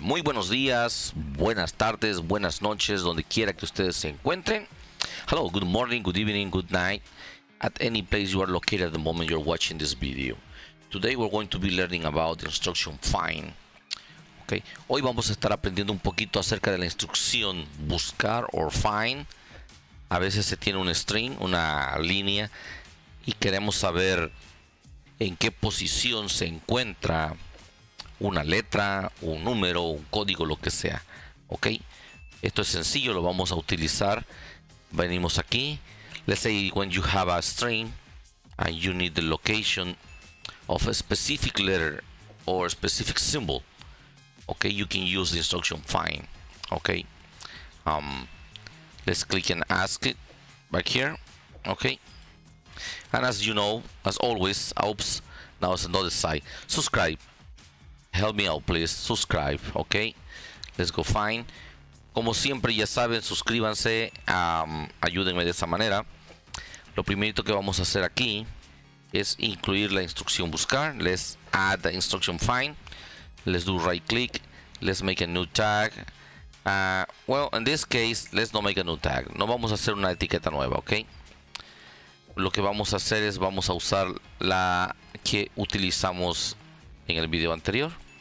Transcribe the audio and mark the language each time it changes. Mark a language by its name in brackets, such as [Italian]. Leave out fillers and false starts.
[Spanish] Muy buenos días, buenas tardes, buenas noches, donde quiera que ustedes se encuentren. [English] Hello, good morning, good evening, good night, at any place you are located at the moment you're watching this video. Today we're going to be learning about the instruction find. Okay. [Spanish] Hoy vamos a estar aprendiendo un poquito acerca de la instrucción buscar [English] or find. [Spanish] A veces se tiene un string, una línea, y queremos saber en qué posición se encuentra una letra, un número, un código, lo que sea. Ok, esto es sencillo, lo vamos a utilizar. Venimos aquí. [English] Let's say when you have a string and you need the location of a specific letter or a specific symbol. Ok, you can use the instruction find. Ok, let's click and ask it back here. Ok, and as you know, as always, oops, now it's another side. Subscribe. Help me out, please. Subscribe, ok. Let's go find. [Spanish] Como siempre, ya saben, suscríbanse. Ayúdenme de esa manera. Lo primerito que vamos a hacer aquí es incluir la instrucción buscar. [English] Let's add the instruction find. Let's do right click. Let's make a new tag. Well, in this case, let's not make a new tag. [Spanish] No vamos a hacer una etiqueta nueva, ok. Lo que vamos a hacer es vamos a usar la que utilizamos en el video anterior.